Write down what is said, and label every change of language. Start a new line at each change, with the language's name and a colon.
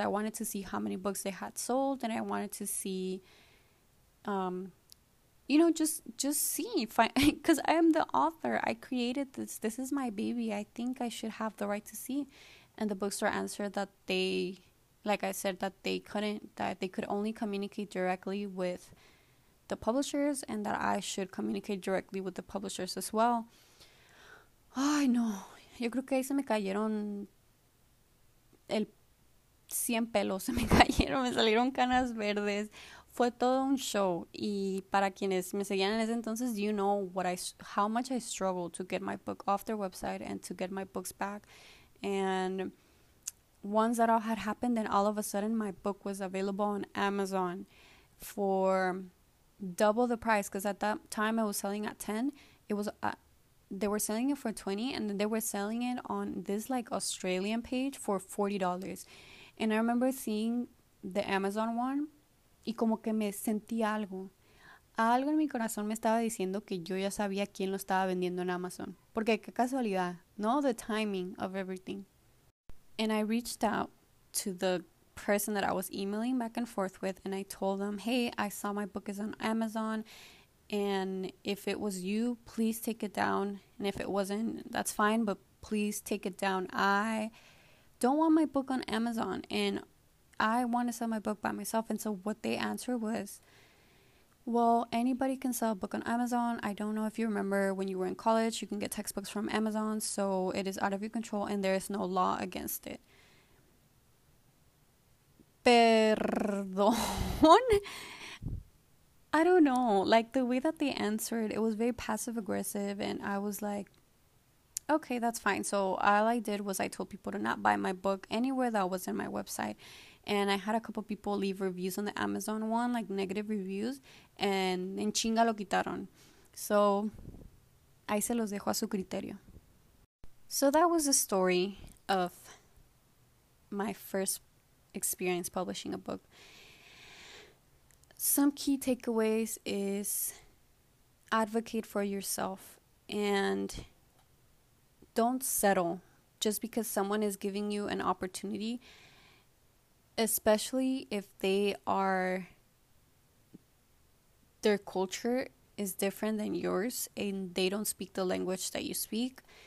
English: I wanted to see how many books they had sold, and I wanted to see, you know, just see if I, because I am the author. I created this. This is my baby. I think I should have the right to see. And the bookstore answered that they, like I said, that they couldn't, that they could only communicate directly with the publishers, and that I should communicate directly with the publishers as well.
Spanish: Ay, no. Yo creo que ahí se me cayeron el 100 pelos. Se me cayeron, me salieron canas verdes. Fue todo un show. Y para quienes me seguían en ese entonces,
English: you know what I, how much I struggled to get my book off their website and to get my books back. And once that all had happened, then all of a sudden my book was available on Amazon for double the price. Because at that time I was selling at 10. It was they were selling it for 20, and then they were selling it on this like Australian page for $40. And I remember seeing the Amazon one,
Spanish: y como que me sentí algo. Algo en mi corazón me estaba diciendo que yo ya sabía quién lo estaba vendiendo en Amazon. Porque qué casualidad, ¿no?
English: The timing of everything. And I reached out to the person that I was emailing back and forth with, and I told them, hey, I saw my book is on Amazon, and if it was you, please take it down. And if it wasn't, that's fine, but please take it down. I don't want my book on Amazon, and I want to sell my book by myself. And so what they answered was, well, anybody can sell a book on Amazon. I don't know if you remember when you were in college, you can get textbooks from Amazon, so it is out of your control and there is no law against it.
Spanish: Perdón.
English: I don't know, like the way that they answered, it was very passive aggressive, and I was like, okay, that's fine. So all I did was I told people to not buy my book anywhere that was in my website. And I had a couple people leave reviews on the Amazon one, like negative reviews, and
Spanish: en chinga lo quitaron. So ahí se los dejo a su criterio.
English: So that was the story of my first experience publishing a book. Some key takeaways is advocate for yourself and don't settle just because someone is giving you an opportunity, especially if they are, their culture is different than yours and they don't speak the language that you speak.